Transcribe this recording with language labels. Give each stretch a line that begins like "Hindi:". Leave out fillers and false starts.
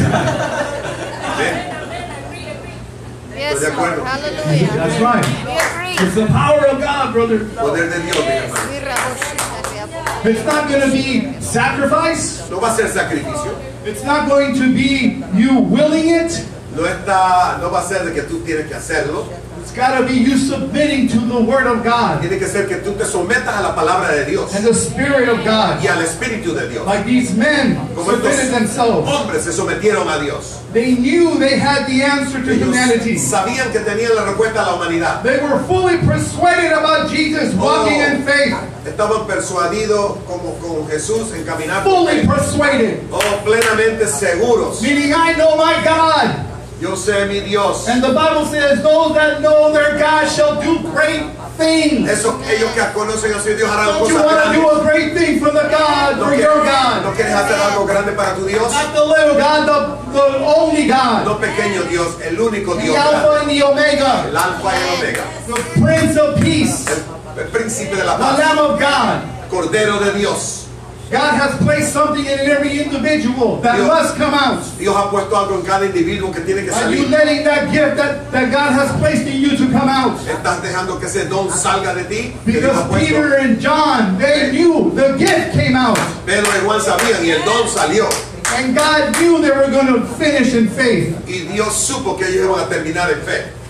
English: God. Sorry. Yes, Lord. Hallelujah. That's right. We agree. It's the power of God, brother.
Spanish: Poder de Dios, mi hermano.
English: It's not going to be sacrifice.
Spanish: No va a ser sacrificio.
English: It's not going to be you willing it.
Spanish: No está, no va a ser de que tú tienes que hacerlo.
English: It's got to be you submitting to the word of God.
Spanish: Tiene que ser que tú te sometas a la palabra de Dios.
English: And the spirit of God.
Spanish: Y al espíritu de Dios.
English: Like these men submitted themselves.
Spanish: Hombres se sometieron a Dios.
English: They knew they had the answer to humanity.
Spanish: Sabían que tenían la respuesta a la humanidad.
English: They were fully persuaded about Jesus walking in faith.
Spanish: Estaban persuadidos como con Jesús en caminar.
English: Fully persuaded.
Spanish: Oh, plenamente seguros.
English: Meaning, I know my God.
Spanish: Yo sé mi Dios.
English: And the Bible says, those that know their God shall do great things.
Spanish: Eso, ellos que conocen a su Dios harán cosas grandes.
English: Don't you want to do a great thing for the God, for your God?
Spanish: ¿No quieres hacer algo grande para tu Dios?
English: Not the little God, the only God.
Spanish: No pequeño Dios, el único Dios.
English: The Alpha and the Omega.
Spanish: El Alfa y el Omega.
English: The Prince of Peace.
Spanish: El Príncipe de la Paz.
English: The Lamb of God.
Spanish: Cordero de Dios.
English: God has placed something in every individual that
Spanish: Dios,
English: must come out.
Spanish: Dios ha puesto algo en cada individuo que tiene que salir.
English: Are you letting that gift that God has placed in you to come out?
Spanish: ¿Estás dejando que ese don salga de ti?
English: Because Peter and John, they knew the gift came out.
Spanish: Pedro y Juan sabían y el don salió.
English: And God knew they were going to finish in faith.
Spanish: Y Dios supo que ellos iban a terminar en fe.